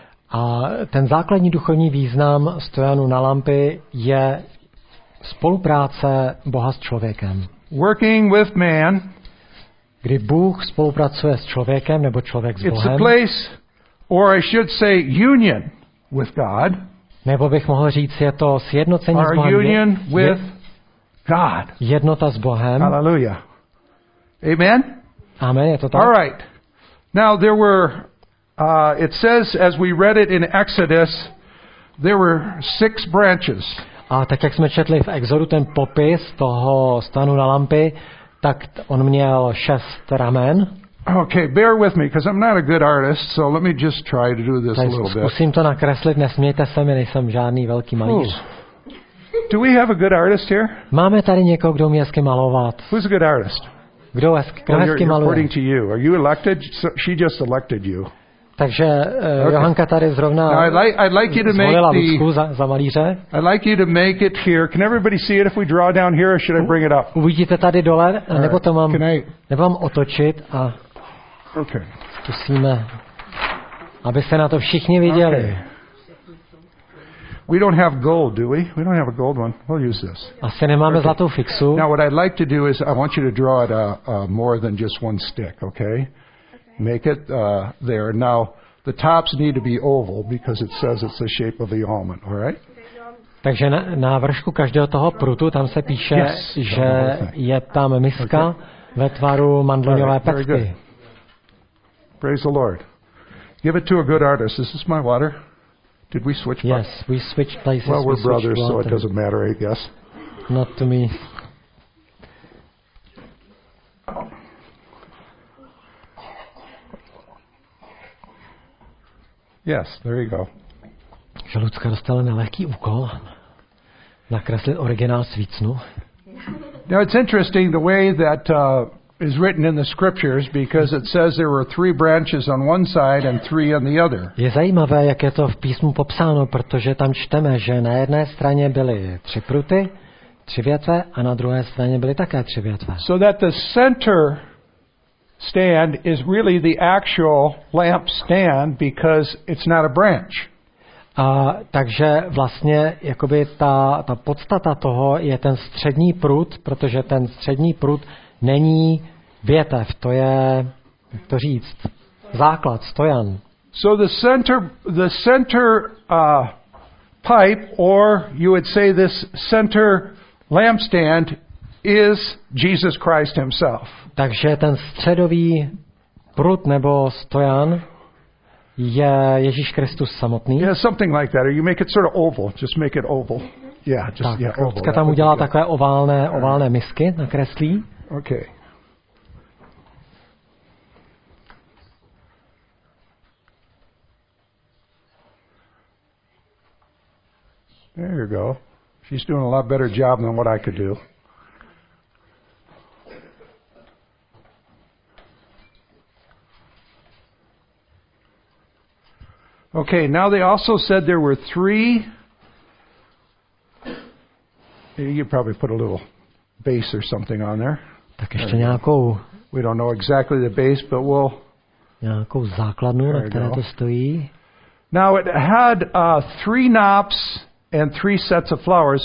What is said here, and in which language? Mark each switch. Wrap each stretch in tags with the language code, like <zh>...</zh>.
<cs>A ten základní duchovní význam stojanu na lampy je spolupráce Boha s člověkem.</cs> <en>Working with man.</en> <cs>Kdy Bůh spolupracuje s člověkem nebo člověk s Bohem.</cs> <en>It's a place, or I should say union with God.</en> <cs>Nebo bych mohl říct, je to sjednocení</cs> <en>our</en> <cs>s Bohem.</cs> <en>Union with God.</en> <cs>Jednota s Bohem.</cs> <en>Hallelujah. Amen.</en> <cs>Amen, je to tak.</cs> <en>All right. Now there were it says as we read it in Exodus, there were six branches.</en> <cs>A tak jak jsme četli v Exodu ten popis toho stanu na lampy, tak on měl šest ramen.</cs> <en>Okay, bear with me, because I'm not a good artist, so let me just try to do this a little bit.</en> <cs>Zkusím to nakreslit, nesmějte se mi, nejsem žádný velký malíř.</cs> <en>Do we have a good artist here?</en> <cs>Máme tady někoho, kdo umí hezky malovat?</cs> <en>Who's a good artist?</en> <cs>Kdo hezky maluje?</cs> <en>You're reporting to you. Are you elected? So she just elected you.</en> <cs>Takže Johanka tady zrovna zvolila Lucku za malíře.</cs> <en>I'd like you to make it here. Can everybody see it if we draw down here, or should I bring it up?</en> <cs>Uvidíte tady dole, nebo to mám, nebo mám otočit a zkusíme, aby se na to všichni viděli.</cs> <en>We don't have gold, do we? We don't have a gold one. We'll use this.</en> <cs>Asi nemáme zlatou fixu.</cs> <en>Now what I'd like to do is I want you to draw it more than just one stick, okay? Make it there. Now the tops need to be oval because it says it's the shape of the almond, all right?</en> <cs>Takže na vršku každého toho prutu tam se píše, že je tam miska ve tvaru mandloňové pecky.</cs> <en>Praise the Lord. Give it to a good artist. Is this my water? Did we switch places? Yes, we switched places. Well, we're brothers, so it doesn't matter, I guess. Not to me. Yes, there you go.</en> <cs>Že Lucka dostala nelehký úkol nakreslit originál svícnu.</cs> <en>Now it's interesting the way that is written in the scriptures because it says there were three branches on one side and three on the other.</en> <cs>Je zajímavé, jak je to v písmu popsáno, protože tam čteme, že na jedné straně byly tři pruty, tři větve, a na druhé straně byly také tři větve.</cs> <en>So that the center stand is really the actual lamp stand because it's not a branch.</en> <cs>A takže vlastně jakoby ta podstata toho je ten střední prut, protože ten střední prut není větev, to je, jak to říct, základ, stojan.</cs> <en>So the center pipe or you would say this center lampstand is Jesus Christ himself.</en> <cs>Takže ten středový prut nebo stojan je Ježíš Kristus samotný.</cs> <en>Yeah, something like that. Or you make it sort of oval. Just make it oval. Yeah, just</en> <cs>tak,</cs> <en>yeah, oval.</en> <cs>Tak tam udělá takové oválné misky, nakreslí.</cs> <en>Okay. There you go. She's doing a lot better job than what I could do. Okay, now they also said there were three. You probably put a little base or something on there.</en> <cs>Tak ještě nějakou.</cs> <en>We don't know exactly the base, but we'll.</en> <cs>Nějakou základnu, na které to stojí.</cs> <en>Now it had three knops and three sets of flowers.</en>